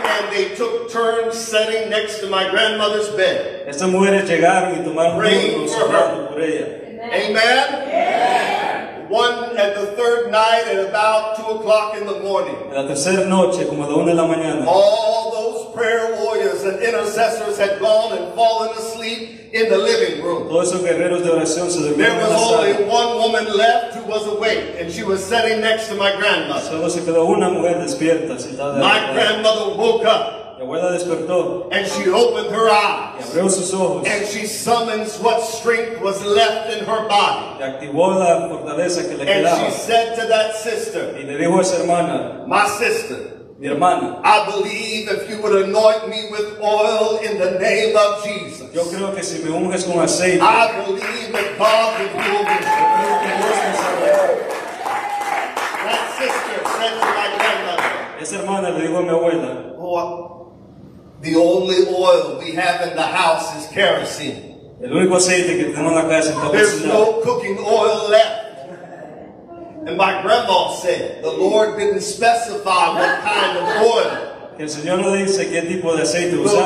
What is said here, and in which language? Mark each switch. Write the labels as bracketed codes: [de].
[en] They took turns sitting next to my grandmother's bed. [es] Estas mujeres llegaron y tomaron [en] praying [es] turnos [en] for her. [es] Por ella. [en] Amen. Amen. Yeah. One at the third night at about 2 o'clock in the morning. [es] En la tercera noche, como a 1 de la mañana. [en] All those prayer warriors and intercessors had gone and fallen asleep in the living room. [es] Todos esos guerreros de oración se durmieron. [en] There was only one woman left who was awake, and she was sitting next to my grandmother. [es] Solo se quedó una mujer despierta. [en] My grandmother woke up. [es] La abuela despertó. [en] And she opened her eyes. [es] Y abrió sus ojos. [en] And she summons what strength was left in her body. [es] Y activó la fortaleza que le quedaba. [en] And she said to that sister, [es] y le dijo a esa hermana, [en] my sister, [es] mi hermana, [en] I believe if you would anoint me with oil in the name of Jesus, [es] yo creo que si me unges con aceite, [en] I believe that God would heal me. That sister said to my grandmother, [es] esa hermana le dijo a mi abuela, [en] oh, the only oil we have in the house is kerosene. [es] El único aceite que tenemos en la casa es kerosene. [en] There's no cooking oil left. And my grandma said, the Lord didn't specify what kind of oil. [es] El Señor no dice qué tipo de aceite usar.